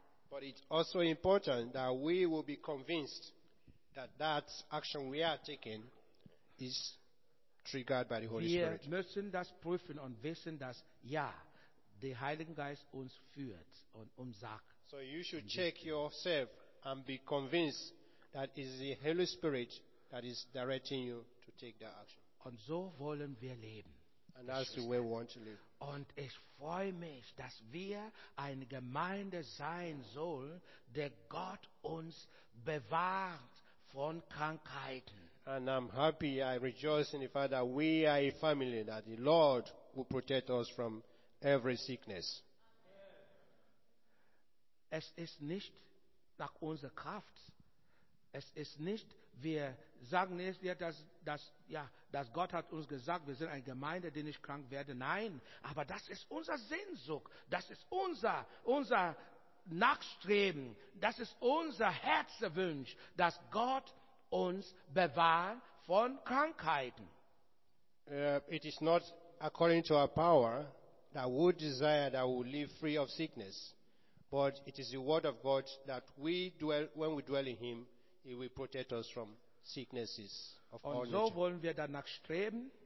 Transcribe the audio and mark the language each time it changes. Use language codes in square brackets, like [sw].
[en] But it's also important that we will be convinced that action we are taking is triggered by the Holy [de] wir [en] Spirit. [de] Wir müssen das prüfen und wissen, dass der Heilige Geist uns führt und uns sagt. [en] So you should check yourself and be convinced that it is the Holy Spirit that is directing you to take that action. [de] Und so wollen wir leben. [en] And that's the way we want to live. [de] Und ich freue mich, dass wir eine Gemeinde sein sollen, der Gott uns bewahrt von Krankheiten. [en] And I'm happy, I rejoice in the fact that we are a family, that the Lord will protect us from every sickness. [de] Es ist nicht nach unserer Kraft. Es ist nicht, wir sagen nicht, dass Gott hat uns gesagt, wir sind eine Gemeinde, die nicht krank werden. Nein, aber das ist unser Sehnsucht. Das ist unser Nachstreben. Das ist unser Herzenswunsch, dass Gott uns bewahren von Krankheiten. [en] It is not according to our power that we desire that we live free of sickness, but it is the word of God that when we dwell in him, he will protect us from sicknesses of all nature. [de] So wollen wir danach streben.